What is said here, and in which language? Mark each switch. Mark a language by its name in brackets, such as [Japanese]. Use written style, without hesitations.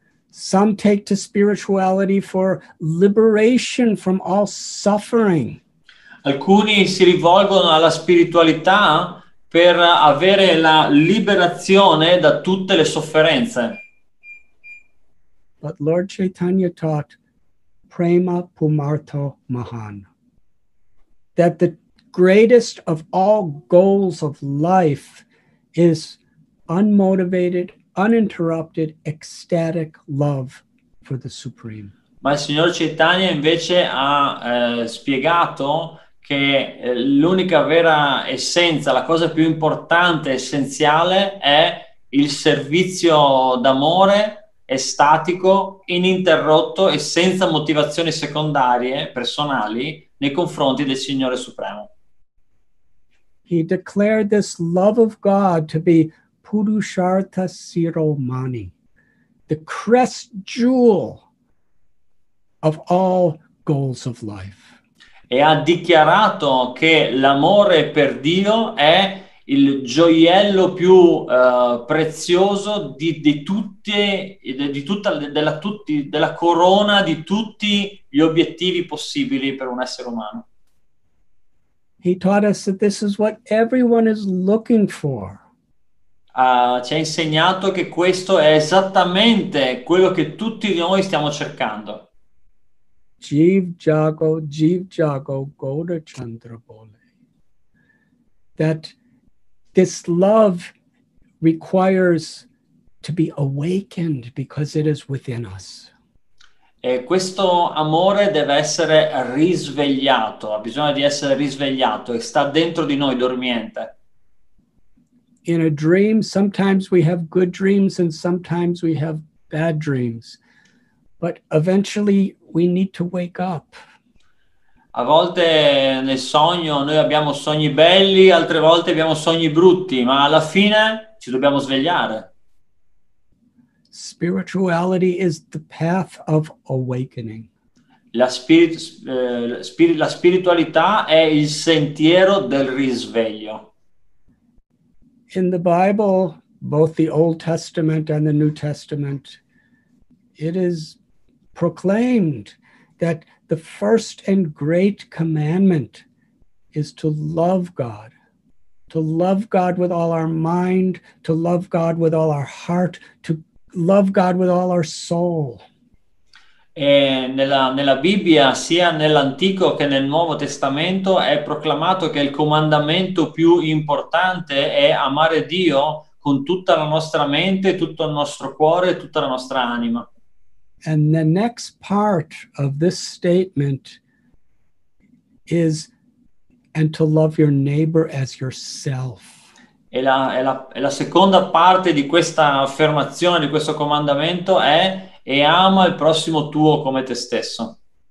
[English] Some take to spirituality for liberation from all suffering. [Italian] Alcuni si rivolgono alla spiritualità per avere la liberazione da tutte le sofferenze. [English] But Lord Chaitanya taught [Sanskrit] prema pumartho mahan, [English] that the greatest of all goals of life is unmotivated, uninterrupted, ecstatic love for the Supreme. [Italian] Ma il signor Chaitanya invece ha spiegato che l'unica vera essenza, la cosa più importante, essenziale, è il servizio d'amore estatico, ininterrotto e senza motivazioni secondarie, personali, nei confronti del Signore Supremo. [English] He declared this love of God to be Purushartha Siromani, the crest jewel of all goals of life. [Italian] E ha dichiarato che l'amore per Dio è il gioiello più prezioso della corona di tutti gli obiettivi possibili per un essere umano. [English] He taught us that this is what everyone is looking for. [Italian] Ci ha insegnato che questo è esattamente quello che tutti noi stiamo cercando. [Bangla] Jeev jago, goda chandra bole. [English] That this love requires to be awakened because it is within us. [Italian] E questo amore deve essere risvegliato, ha bisogno di essere risvegliato e sta dentro di noi dormiente. [English] In a dream, sometimes we have good dreams and sometimes we have bad dreams. But eventually we need to wake up. [Italian] A volte nel sogno noi abbiamo sogni belli, altre volte abbiamo sogni brutti, ma alla fine ci dobbiamo svegliare. [English] Spirituality is the path of awakening. [Italian] La spiritualità è il sentiero del risveglio. [English] In the Bible, both the Old Testament and the New Testament, it is proclaimed that the first and great commandment is to love God with all our mind, to love God with all our heart, to love God with all our soul. [Italian] E nella Bibbia, sia nell'Antico che nel Nuovo Testamento, è proclamato che il comandamento più importante è amare Dio con tutta la nostra mente, tutto il nostro cuore, tutta la nostra anima. [English] And the next part of this statement is, and to love your neighbor as yourself. [Italian] E la seconda parte di questa affermazione, di questo comandamento è, e ama il prossimo tuo come te stesso.